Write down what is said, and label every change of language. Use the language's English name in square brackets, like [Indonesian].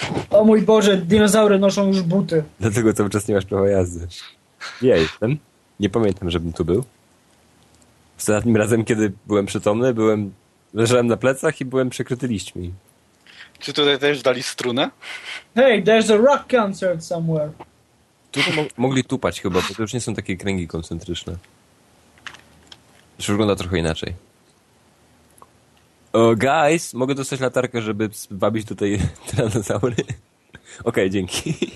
[Polish] O mój Boże, dinozaury noszą już buty. Dlatego cały czas nie masz prawa jazdy. Ja jestem. Nie pamiętam, żebym tu był. Ostatnim razem, kiedy byłem przytomny, leżałem na plecach i byłem przykryty liśćmi. Czy tutaj też dali strunę? [English] Hey, there's a rock concert somewhere. [Polish] Tu mogli tupać chyba, bo to już nie są takie kręgi koncentryczne. Już wygląda trochę inaczej. Guys, mogę dostać latarkę, żeby wabić tutaj tyranozaury? Okej, dzięki.